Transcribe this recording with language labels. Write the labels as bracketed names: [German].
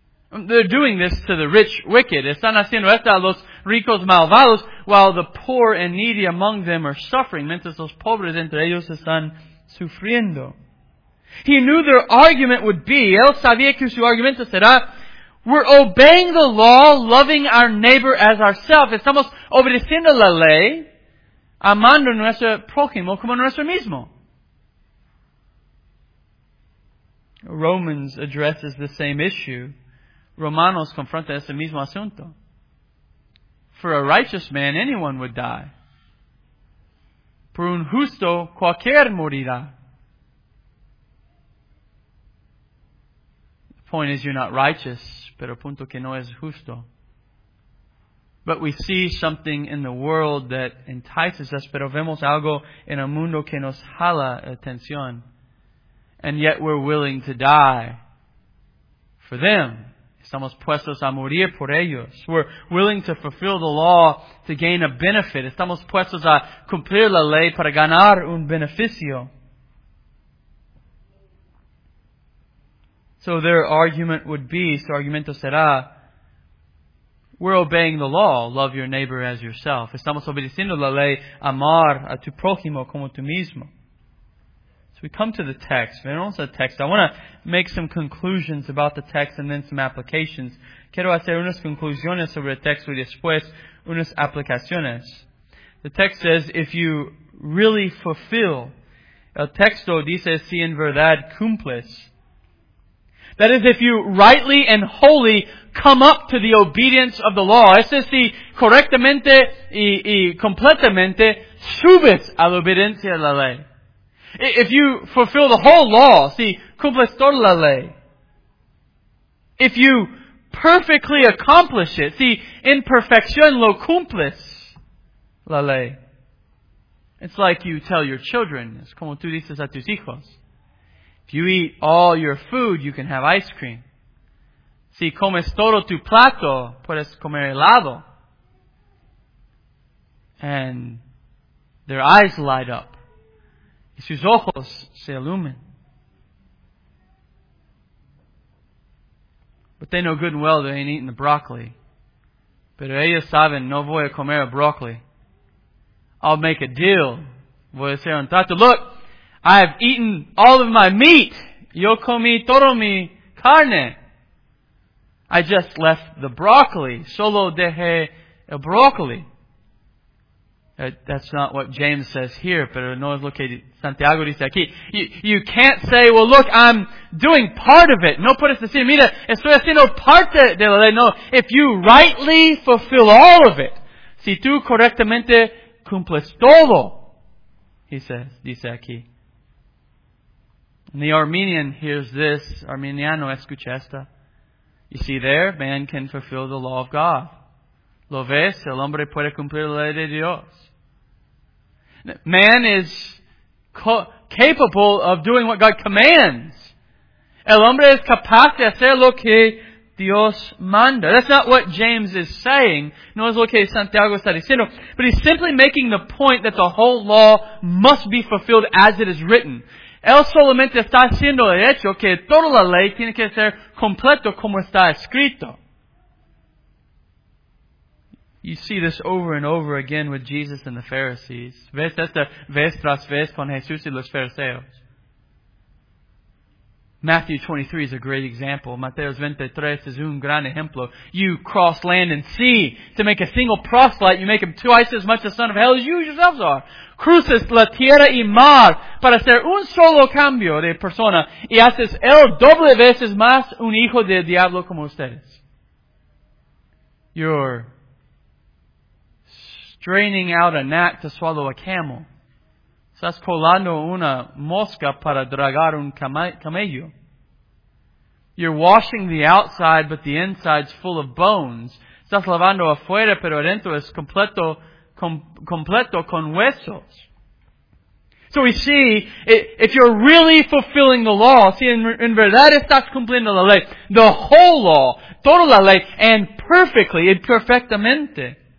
[English] They're doing this to the rich wicked. [Spanish] Están haciendo esto a los ricos malvados [English] while the poor and needy among them are suffering. [Spanish] Mientras los pobres entre ellos están sufriendo. [English] He knew their argument would be, [Spanish] él sabía que su argumento será, [English] we're obeying the law, loving our neighbor as ourselves. [Spanish] Estamos obedeciendo la ley, amando nuestro prójimo como nuestro mismo. [English] Romans addresses the same issue. [Spanish] Romanos confronta ese mismo asunto. [English] For a righteous man, anyone would die. [Spanish] Por un justo, cualquier morirá. [English] The point is, you're not righteous, [Spanish] pero punto que no es justo. [English] But we see something in the world that entices us, [Spanish] pero vemos algo en el mundo que nos jala atención. [English] And yet we're willing to die for them. [Spanish] Estamos puestos a morir por ellos. [English] We're willing to fulfill the law to gain a benefit. [Spanish] Estamos puestos a cumplir la ley para ganar un beneficio. [English] So their argument would be, [Spanish] su argumento será, [English] we're obeying the law, love your neighbor as yourself. [Spanish] Estamos obedeciendo la ley, amar a tu prójimo como tú mismo. [English] We come to the text. [Spanish] Venimos al texto. [English] I want to make some conclusions about the text and then some applications. [Spanish] Quiero hacer unas conclusiones sobre el texto y después unas aplicaciones. [English] The text says, if you really fulfill, [Spanish] el texto dice, si en verdad cumples. [English] That is, if you rightly and wholly come up to the obedience of the law. [Spanish] Es decir, correctamente y completamente subes a la obediencia de la ley. [English] If you fulfill the whole law, [Spanish] si cumples toda la ley. [English] If you perfectly accomplish it, [Spanish] si en perfección lo cumples la ley. [English] It's like you tell your children, [Spanish] es como tú dices a tus hijos. [English] If you eat all your food, you can have ice cream. [Spanish] Si comes todo tu plato, puedes comer helado. [English] And their eyes light up. [Spanish] Y sus ojos se ilumen. [English] But they know good and well they ain't eating the broccoli. [Spanish] Pero ellos saben, no voy a comer el broccoli. [English] I'll make a deal. [Spanish] Voy a hacer un trato. [English] Look, I have eaten all of my meat. [Spanish] Yo comí todo mi carne. [English] I just left the broccoli. [Spanish] Solo dejé el broccoli. [English] That's not what James says here, [Spanish] pero no es lo que Santiago dice aquí. [English] You can't say, well look, I'm doing part of it. [Spanish] No puedes decir, mira, estoy haciendo parte de la ley. [English] No, if you rightly fulfill all of it, [Spanish] si tú correctamente cumples todo, [English] he says, [Spanish] dice aquí. [English] And the Armenian hears this, [Spanish] Armeniano escucha esta. [English] You see there, man can fulfill the law of God. [Spanish] ¿Lo ves? El hombre puede cumplir la ley de Dios. [English] Man is capable of doing what God commands. [Spanish] El hombre es capaz de hacer lo que Dios manda. [English] That's not what James is saying, nor is [Spanish] lo que Santiago está diciendo. [English] But he's simply making the point that the whole law must be fulfilled as it is written. [Spanish] Él solamente está haciendo el hecho que toda la ley tiene que ser completo como está escrito. [English] You see this over and over again with Jesus and the Pharisees. [Spanish] Ves esta vez tras vez con Jesús y los fariseos. [English] Matthew 23 is a great example. [Spanish] Mateo 23 is un gran ejemplo. [English] You cross land and sea to make a single proselyte. You make him twice as much the son of hell as you yourselves are. [Spanish] Cruces la tierra y mar para hacer un solo cambio de persona. Y haces el doble veces más un hijo del diablo como ustedes. [English] You're straining out a gnat to swallow a camel. [Spanish] Estás colando una mosca para dragar un camello. [English] You're washing the outside, but the inside's full of bones. [Spanish] Estás lavando afuera, pero adentro es completo con huesos. [English] So we see, if you're really fulfilling the law, [Spanish] si en verdad estás cumpliendo la ley, [English] the whole law, [Spanish] toda la ley, [English] and perfectly, [Spanish] y perfectamente.